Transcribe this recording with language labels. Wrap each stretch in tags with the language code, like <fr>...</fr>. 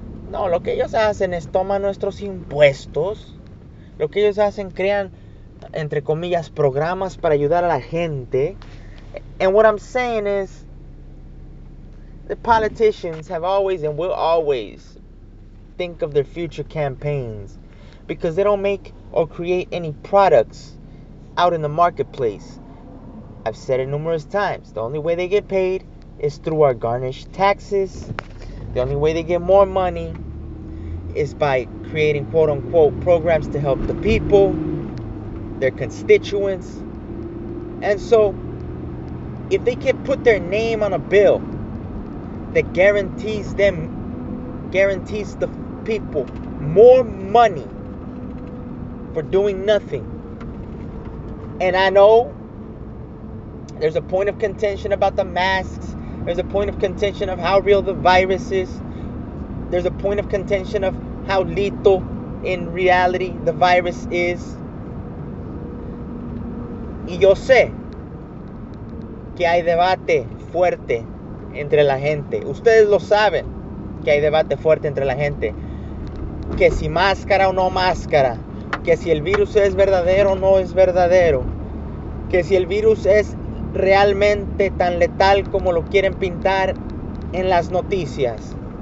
<es>No, lo que ellos hacen es toman nuestros impuestos. Lo que ellos hacen, crean, entre comillas, programas para ayudar a la gente.</es> <en>And what I'm saying is, the politicians have always and will always think of their future campaigns because they don't make or create any products out in the marketplace. I've said it numerous times. The only way they get paid is through our garnished taxes. The only way they get more money is by creating quote-unquote programs to help the people, their constituents. And so, if they can put their name on a bill that guarantees them, guarantees the people more money for doing nothing. And I know there's a point of contention about the masks. There's a point of contention of how real the virus is. There's a point of contention of how lethal in reality the virus is.</en> <es>Y yo sé que hay debate fuerte entre la gente. Ustedes lo saben. que hay debate fuerte entre la gente. Que si máscara o no máscara. Que si el virus es verdadero o no es verdadero. Que si el virus es realmente tan letal como lo quieren pintar en las noticias.</es>